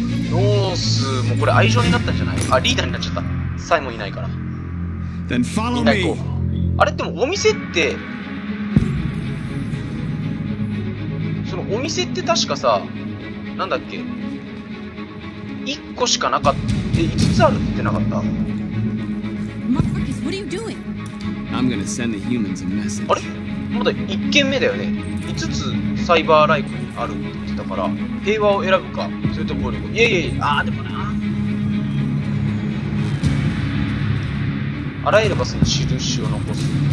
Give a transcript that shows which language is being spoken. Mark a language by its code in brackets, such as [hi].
[ja] ノース、もうこれ愛情になったんじゃない？あ、リーダーになっちゃった。サイモンいないから。 [en] Then follow me. [ja] あれ、でもお店って、そのお店って確かさ、なんだっけ、1個しかなかった、5つあるってなかった？ [en] Marcus, what are you doing? I'm gonna send the humans a message. [ja] あれ？まだ1件目だよね。 5つサイバーライフにあるって言ってたから、平和を選ぶか、それとも暴力。いやいやいや、あーでもな。あらゆる場所に印を残す。